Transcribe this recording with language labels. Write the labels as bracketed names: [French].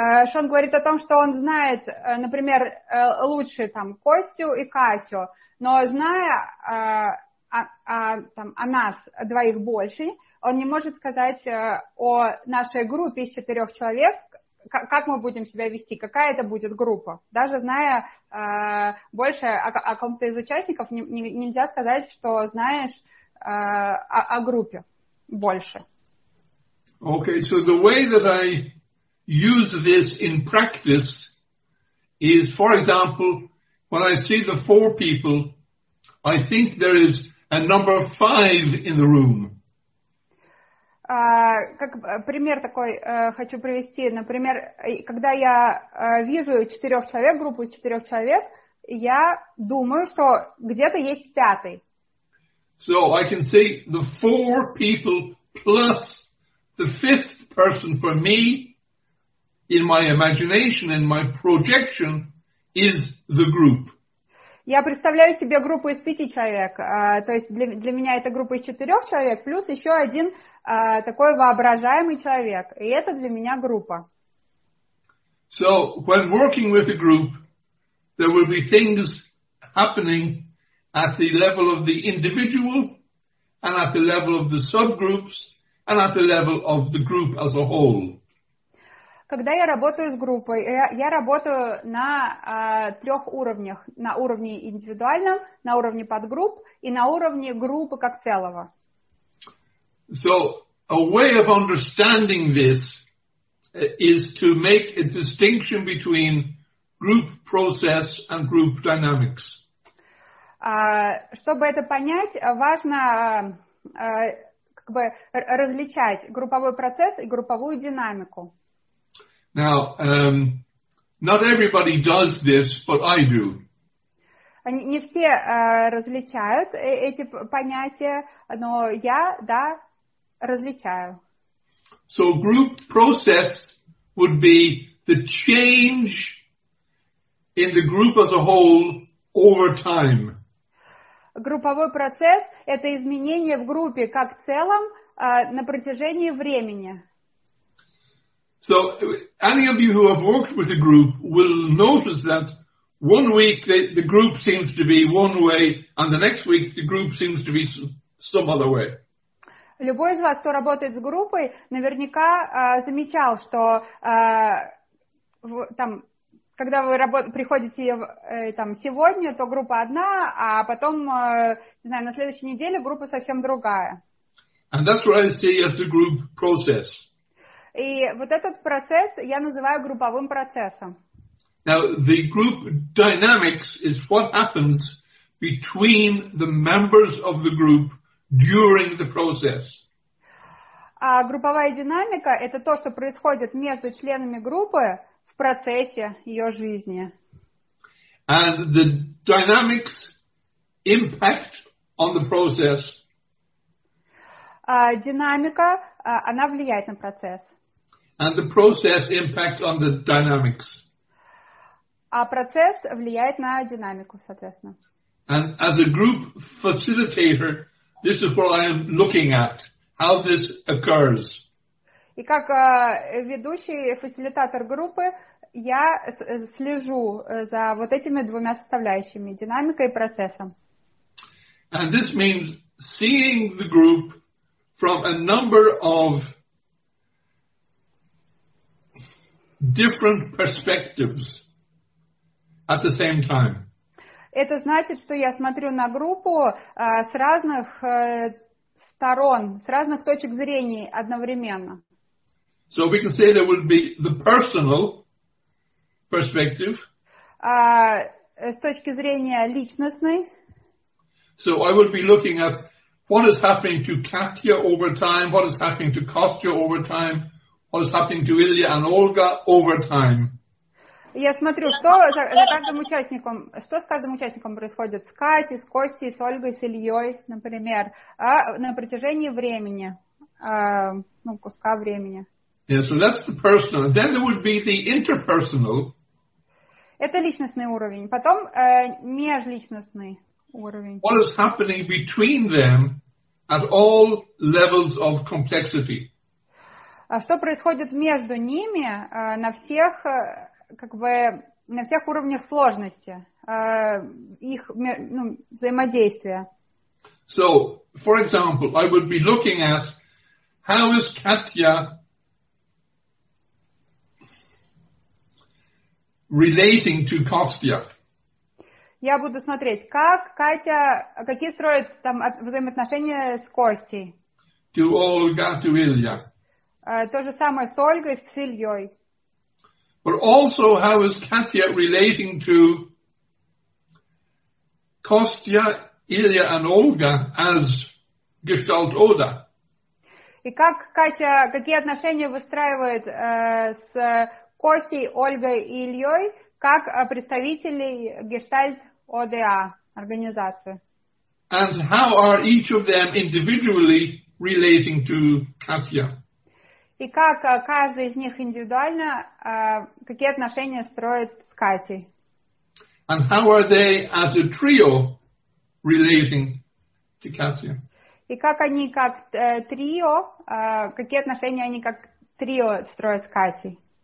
[Russian] Шон говорит о том, что он знает, например, лучше там Костю и Катю, но зная о нас двоих больше, он не может сказать о нашей группе из четырех человек, как мы будем себя вести, какая это будет группа. Даже зная больше о ком-то из участников, нельзя сказать, что знаешь о группе больше. [English] Okay, so the way that I use this in practice is, for example, when I see the four people, I think there is a number five in the room. [Russian] Как пример такой хочу привести. Например, когда я вижу четырех человек, группу из четырех человек, я думаю, что где-то есть пятый. [English] So I can see the four people plus the fifth person for me in my imagination, in my projection, is the group. [Russian] Я представляю себе группу из пяти человек. То есть для меня это группа из четырех человек плюс еще один такой воображаемый человек. И это для меня группа. [English] So, when working with a group, there will be things happening at the level of the individual and at the level of the subgroups and at the level of the group as a whole. [Russian] Когда я работаю с группой, я работаю на трех уровнях. На уровне индивидуальном, на уровне подгрупп и на уровне группы как целого. [English] So, a way of understanding this is to make a distinction between group process and group dynamics. [Russian] Чтобы это понять, важно как бы различать групповой процесс и групповую динамику. [English] Now, not everybody does this, but I do. [Russian] Не все различают эти понятия, но я, да, различаю. [English] So group process would be the change in the group as a whole over time. [Russian] Групповой процесс – это изменение в группе как целом на протяжении времени. [English] So, any of you who have worked with a group will notice that one week the group seems to be one way, and the next week the group seems to be some other way. [Russian] Любой из вас, кто работает с группой, наверняка замечал, что там, когда вы приходите там сегодня, то группа одна, а потом, не знаю, на следующей неделе группа совсем другая. [English] And that's what I see as the group process. [Russian] И вот этот процесс я называю групповым процессом. [English] Now, the group dynamics is what happens between the members of the group during the process. [Russian] А групповая динамика – это то, что происходит между членами группы в процессе ее жизни. [English] And the dynamics impact on the process. [Russian] Динамика, она влияет на процесс. [English] And the process impacts on the dynamics. [Russian] А процесс влияет на динамику, соответственно. [English] And as a group facilitator, this is what I am looking at, how this occurs. [Russian] И как ведущий фасилитатор группы, я слежу за вот этими двумя составляющими, динамикой и процессом. [English] And this means seeing the group from a number of different perspectives at the same time. [Russian] Это значит, что я смотрю на группу с разных сторон, с разных точек зрения одновременно. [English] So we can say there would be the personal perspective. [Russian] С точки зрения личностной. [English] So I would be looking at what is happening to Katya over time, what is happening to Kostya over time. What is happening to Ilya and Olga over time? [Russian] Я смотрю, что за каждым участником, что с каждым участником происходит, с Катей, с Костей, с Ольгой, с Ильей, например, на протяжении времени, ну, куска времени. [English] Yeah, so that's the personal. Then there would be the interpersonal. [Russian] Это личностный уровень. Потом межличностный уровень. [English] What is happening between them at all levels of complexity? [Russian] Что происходит между ними на всех, как бы, на всех уровнях сложности, их, ну, взаимодействия. [English] So, for example, I would be looking at how is Katya relating to Kostya. [Russian] Я буду смотреть, как Катя, какие строят там взаимоотношения с Костей. [English] To Olga, to Ilya. [Russian] То же самое с Ольгой, с Ильей. [English] But also, how is Katya relating to Kostya, Ilya and Olga as Gestalt Oda? [Russian] И как Катя, какие отношения выстраивает с Костей, Ольгой и Ильей, как представителей Gestalt ОДА, организации? [English] And how are each of them individually relating to Katya? [Russian] И как каждый из них индивидуально, какие отношения строит с Катей? [English] And how are they as a trio relating to Katya? [Russian] И как они как трио, какие отношения они как трио строят с Катей?